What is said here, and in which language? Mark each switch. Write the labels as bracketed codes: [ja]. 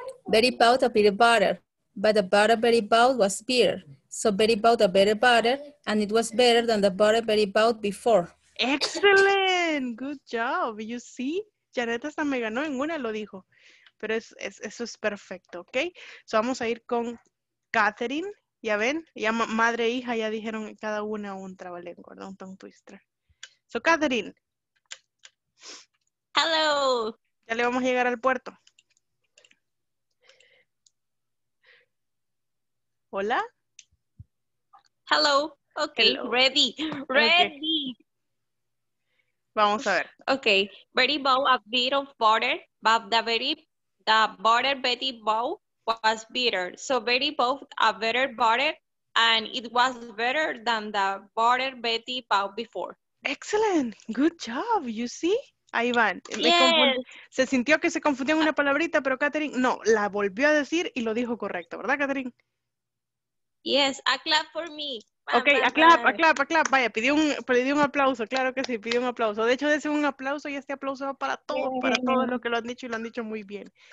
[en] Betty bought a bit of butter, but the butter Betty bought was bitter. So Betty bought a better butter, and it was better than the butter Betty bought before. Excellent. Good job. You see? [es] Janet hasta me ganó en una, lo dijo. Pero eso es perfecto, ok. So vamos a ir con Katherine, ya ven, ya madre e hija ya dijeron cada una un trabalenguas, ¿no? Un tongue twister. [en] So, Katherine. Hello. [es] Ya le vamos a llegar al puerto. Hola. [en] Hello. Ok, hello. Ready. Ready. [es] Okay. Vamos a ver. [en] Ok, Betty bought a bit of butter, but the butter Betty bought was bitter. So Betty bought a better butter and it was better than the butter Betty bought before. Excellent. Good job. You see? [es] Ahí van. Se sintió que se confundió en una palabrita, pero Katherine, no, la volvió a decir y lo dijo correcto, ¿verdad, Katherine? [en] Yes, a clap for me. Ok, a clap, a clap, a clap. [es] Vaya, pidió un aplauso, claro que sí, pidió un aplauso. De hecho, dése un aplauso y este aplauso va para todo, para todo lo que lo han dicho y lo han dicho muy bien.